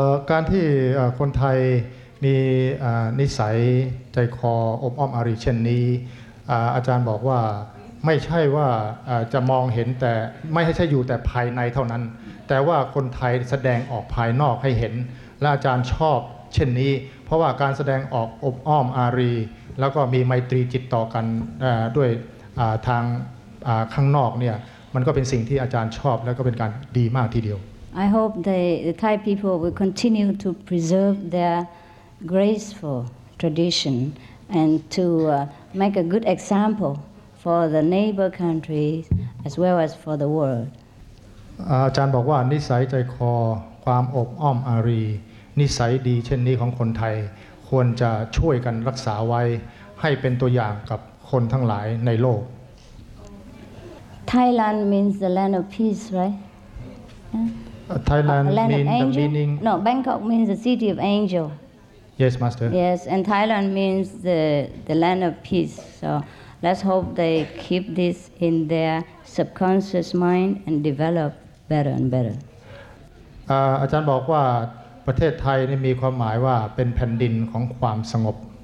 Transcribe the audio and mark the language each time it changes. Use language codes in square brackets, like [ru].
[th] การที่คนไทยมีนิสัยใจคออบอ้อมอารีเช่นนี้อาจารย์บอกว่าไม่ใช่ว่าจะมองเห็นแต่ไม่ใช่อยู่แต่ภายในเท่านั้นแต่ว่าคนไทยแสดงออกภายนอกให้เห็นและอาจารย์ชอบเช่นนี้เพราะว่าการแสดงออกอบอ้อมอารีแล้วก็มีไมตรีจิตต่อกันด้วยทางข้างนอกเนี่ยมันก็เป็นสิ่งที่อาจารย์ชอบแล้วก็เป็นการดีมากทีเดียว [en] I hope the Thai people will continue to preserve their graceful tradition and to make a good example for the neighbor countries as well as for the world. [th] อาจารย์บอกว่านิสัยใจคอความอบอ้อมอารีนิสัยดีเช่นนี้ของคนไทยควรจะช่วยกันรักษาไว้ให้เป็นตัวอย่างกับคนทั้งหลายในโลก [en] Thailand means the land of peace, right? Thailand means the meaning. No, Bangkok means the city of angel. Yes, master. Yes, and Thailand means the land of peace. So let's hope they keep this in their subconscious mind and develop better and better. [th] อาจารย์บอกว่าประเทศไทยนี่มีความหมายว่าเป็นแผ่นดินของความสงบ